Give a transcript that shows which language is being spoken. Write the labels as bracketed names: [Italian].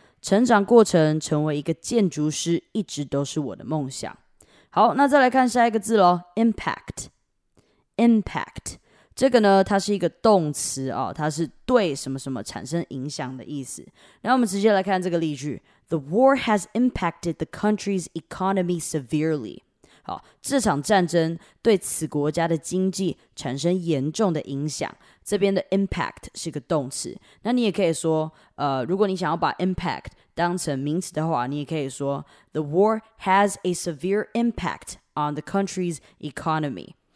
[Chinese] 成长过程成为一个建筑师一直都是我的梦想。好，那再来看下一个字咯， impact。impact。这个呢它是一个动词啊、哦、它是对什么什么产生影响的意思。那我们直接来看这个例句。 [English] The war has impacted the country's economy severely. [Chinese] 好，这场战争对此国家的经济产生严重的影响。这边的 impact 是个动词。那你也可以说如果你想要把 impact 当成名词的话，你也可以说 [English] The war has a severe impact on the country's economy.